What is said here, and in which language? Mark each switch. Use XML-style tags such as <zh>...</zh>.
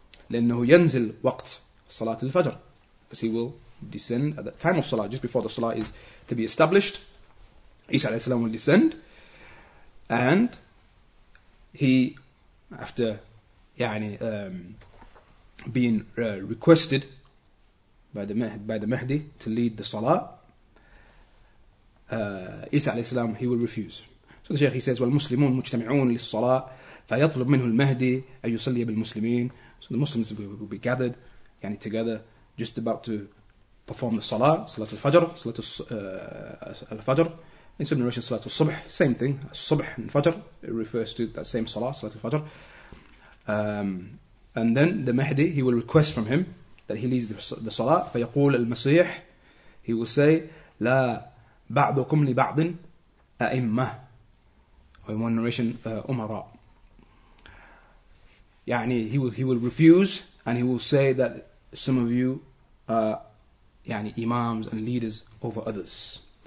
<ar>لأنه ينزل وقت صلاة الفجر.</ar> <en>Because he will descend at the time of Salah, just before the Salah is to be established. Isa al-Islam will descend. And he, after being requested by the Mahdi to lead the Salah, Isa alayhi salam, he will refuse. So the Shaykh he says, "Well,</en> <ar>Muslimun mujtamiun lis-salah, فيطلب منه المهدي أن يصلي بالمسلمين.</ar> <en>So the Muslims will be gathered, يعني together, just about to perform the salah, salat al-fajr, salat al-fajr. In some narration, salat al-subh, same thing, subh and fajr, it refers to that same salah, salat al-fajr. And then the Mahdi, he will request from him that he leads the salah.</en> <ar>فيقول المسيح,</ar> <en>he will say,</en> <ar>لا بعضكم لبعض أئمة.</ar> <en>Or in one narration, أمراء. يعني he will refuse and he will say that some of you are يعني imams and leaders over others.</en>